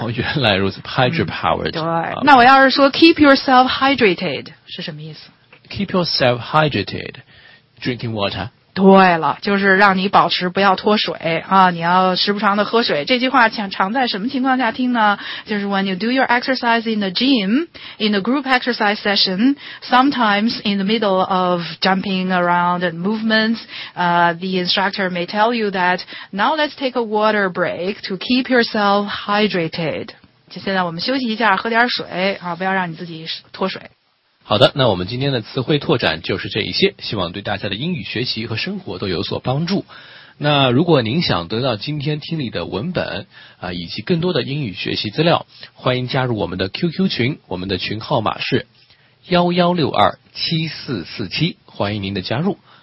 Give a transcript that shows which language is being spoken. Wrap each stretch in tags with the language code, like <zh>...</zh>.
<zh>原来如此 ,hydropower。对。那我要是说</zh> <en>keep yourself hydrated,</en> <zh>是什么意思？</zh> <en>Keep yourself hydrated, drinking water.</en> <zh>对了，就是让你保持不要脱水啊！你要时不常的喝水。这句话常在什么情况下听呢？就是</zh> <en>when you do your exercise in the gym, in the group exercise session, sometimes in the middle of jumping around and movements, the instructor may tell you that now let's take a water break to keep yourself hydrated.</en> <zh>就现在我们休息一下，喝点水啊，不要让你自己脱水。好的，那我们今天的词汇拓展就是这一些，希望对大家的英语学习和生活都有所帮助。那如果您想得到今天听力的文本啊，以及更多的英语学习资料，欢迎加入我们的 QQ 群，我们的群号码是116274477，欢迎您的加入。</zh>